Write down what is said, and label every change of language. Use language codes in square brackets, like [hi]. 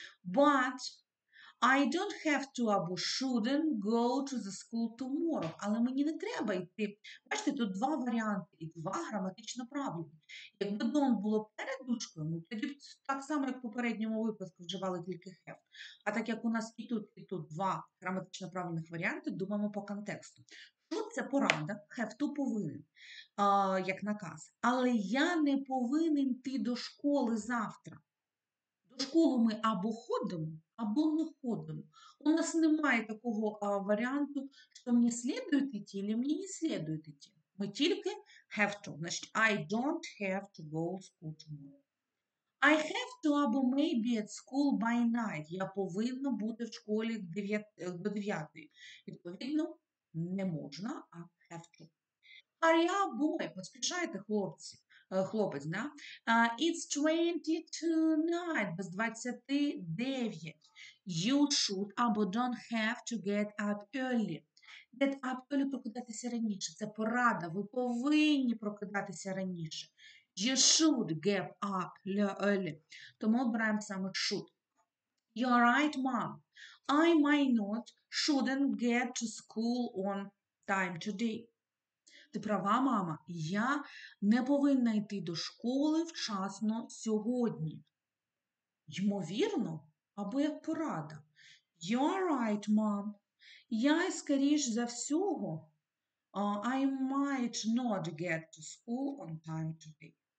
[en] But I don't have to [uk] або [en] shouldn't go to the school tomorrow. [uk] Але мені не треба йти. Бачите, тут два варіанти і два граматично правильні. Якби don't було перед дужкою, ми тоді б так само, як в попередньому випадку, вживали тільки have. А так як у нас і тут два граматично правильних варіанти, думаємо по контексту. Тут це порада, [en] have to [uk] повинен, як наказ. Але я не повинен йти до школи завтра. До школи ми або ходимо, або не ходимо. У нас немає такого варіанту, що мені слідує йти, або мені не слідує йти. Ми тільки [en] have to. [uk] Значить, [en] I don't have to go to school tomorrow. I have to, [uk] або [en] maybe at school by night. [uk] Я повинна бути в школі до 9. Відповідно, не можна, а [en] have to. Hurry up, boy. [uk] Поспішайте, хлопці. Хлопець, да? [en] It's 22:09, [uk] без 29. [en] You should [uk] або [en] don't have to get up early. Get up early – [uk] прокидатися раніше. Це порада, ви повинні прокидатися раніше. [en] You should get up early. [uk] Тому обираємо саме [en] should. You're right, mom. I might not, shouldn't get to school on time today. [uk] Ти права, мама, я не повинна йти до школи вчасно сьогодні. Ймовірно, або як порада. [en] You're right, mom. [uk] Я, скоріш за всього, [en] I might not get to school on time today.